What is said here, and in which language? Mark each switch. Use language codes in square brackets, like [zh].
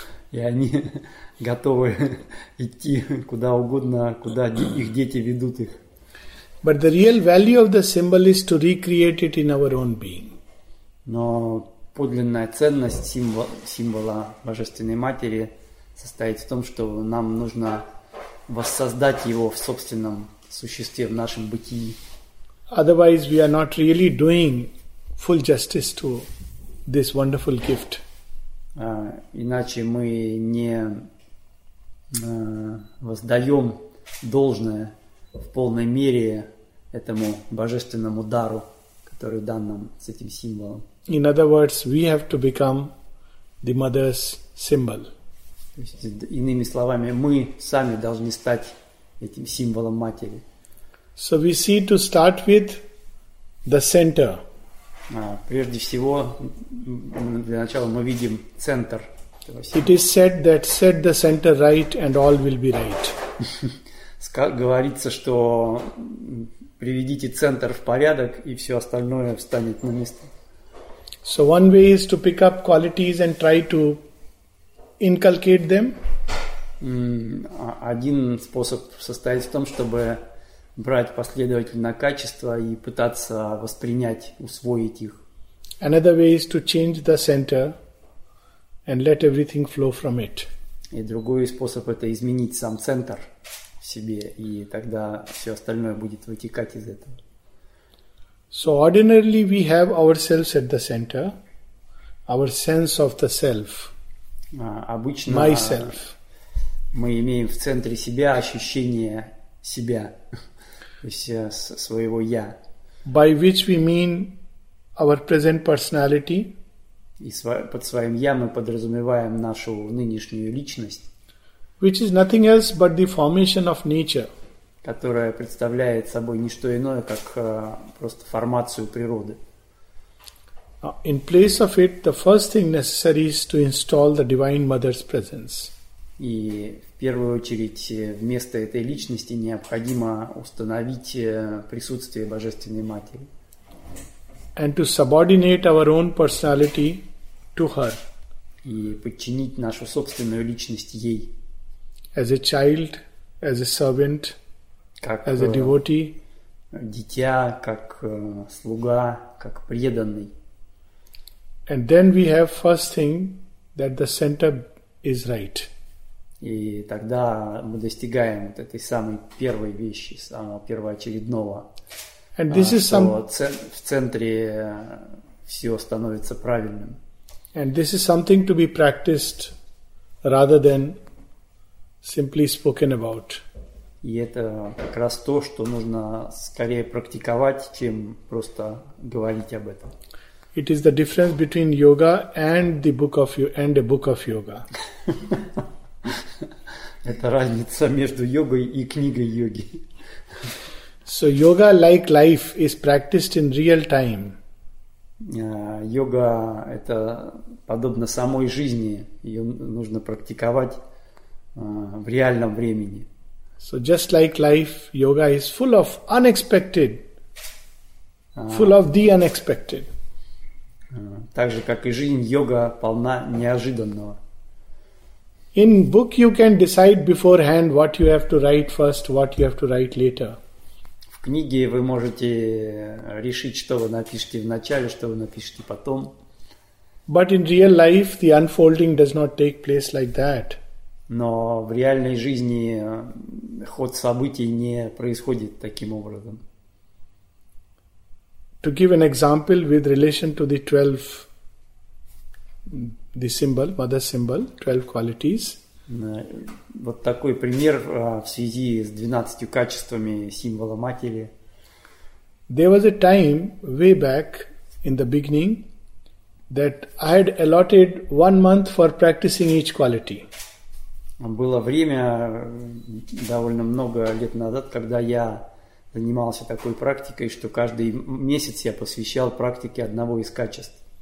[ru] И они готовы идти куда угодно, куда их дети ведут их. [en] But the real value of the symbol is to recreate it in our own being. [ru] Но подлинная ценность символа Божественной Матери состоит в том, что нам нужно воссоздать его в собственном существе, в нашем бытии. [en] Otherwise, we are not really doing full justice to this wonderful gift. [ru] Иначе мы не воздаем должное в полной мере этому божественному дару, который дан нам с этим символом. [en] In other words, we have to become the mother's symbol. [ru] То есть, иными словами, мы сами должны стать этим символом матери. [en] So we see to start with the center. [ru] Прежде всего, для начала мы видим центр. [en] It is said that set the center right and all will be right. [ru] Говорится, что приведите центр в порядок, и все остальное встанет на место. [en] So one way is to pick up qualities and try to inculcate them. [ru] Один способ состоит в том, чтобы брать последовательно качества и пытаться воспринять, усвоить их. [en] Another way is to change the center and let everything flow from it. [ru] И другой способ – это изменить сам центр себе, и тогда все остальное будет вытекать из этого. [en] So ordinarily we have ourselves at the center, our sense of the self, [ru] обычно [en] myself. [ru] Мы имеем в центре себя ощущение себя, то есть своего я. [en] By which we mean our present personality. [ru] И под своим я мы подразумеваем нашу нынешнюю личность. [en] Which is nothing else but the formation of nature. [ru] Которая представляет собой не что иное, как просто формацию природы. [en] In place of it, the first thing necessary is to install the Divine Mother's presence. [ru] И в первую очередь вместо этой личности необходимо установить присутствие Божественной Матери. [en] And to subordinate our own personality to her. [ru] И подчинить нашу собственную личность ей. [en] As a child, as a servant, [ru] как, [en] as a devotee. [ru] Дитя, как слуга, как преданный. [en] And then we have first thing that the center is right. [ru] И тогда мы достигаем вот этой самой первой вещи, самого первоочередного. [en] And this is some... [ru] В центре все становится правильным. [en] And this is something to be practiced rather than simply spoken about. [ru] И это как раз то, что нужно скорее практиковать, чем просто говорить об этом. [en] It is the difference between yoga and the book of you and a book of yoga. [ru] Это разница между йогой и книгой йоги. [en] So yoga, like life, is practiced in real time. [ru] Йога это подобно самой жизни, ее нужно практиковать в реальном времени. [en] So just like life, yoga is full of unexpected, full of the unexpected. [ru] Так же, как и жизнь, йога полна неожиданного. [en] In book you can decide beforehand what you have to write first, what you have to write later. [ru] В книге вы можете решить, что вы напишете в начале, что вы напишете потом. [en] But in real life the unfolding does not take place like that. [ru] Но в реальной жизни ход событий не происходит таким образом. [en] To give an example with relation to the 12, the symbol, mother symbol, 12 qualities. [ru] Вот такой пример в связи с 12 качествами символа матери. [en] There was a time way back in the beginning that I had allotted 1 month for practicing each quality. [ru] Было время довольно много лет назад, когда я занимался такой практикой, что каждый месяц я посвящал практике одного из качеств.